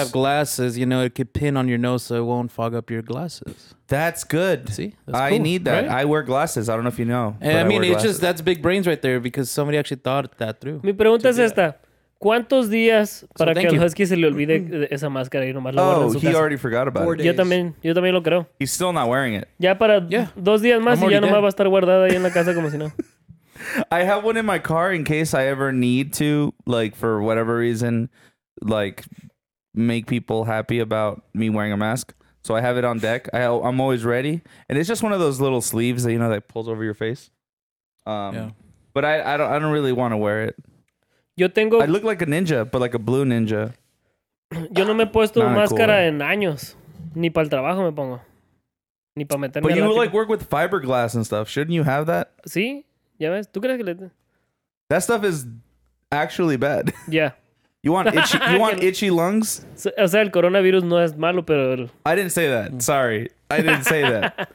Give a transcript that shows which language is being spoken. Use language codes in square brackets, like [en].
[en] Have glasses, you know, it could pin on your nose so it won't fog up your glasses. That's good. See? That's cool, I need that. Right? I wear glasses. I don't know if you know. I mean, it's just... That's big brains right there because somebody actually thought that through. [es] Mi pregunta es esta. ¿Cuántos días para que al husky se le olvide esa máscara y nomás lo guarde en su casa? [en] Oh, he already forgot about it. [es] Yo también lo creo. [en] He's still not wearing it. [es] Ya para 2 días más y ya nomás va a estar guardada ahí en la casa como si no. [en] I have one in my car in case I ever need to, like, for whatever reason, like, make people happy about me wearing a mask. So I have it on deck. I'm always ready. And it's just one of those little sleeves that, you know, that pulls over your face. But I don't really want to wear it. I look like a ninja, but like a blue ninja. [es] Yo no me he puesto máscara en años. Ni para el trabajo me pongo. Ni para meterme. [en] But you like work with fiberglass and stuff. Shouldn't you have that? [es] Sí. Ya ves. ¿Tú crees que le... [en] That stuff is actually bad. Yeah. You want itchy lungs? [es] O sea, el coronavirus no es malo, pero... [en] I didn't say that. Sorry. I didn't say that.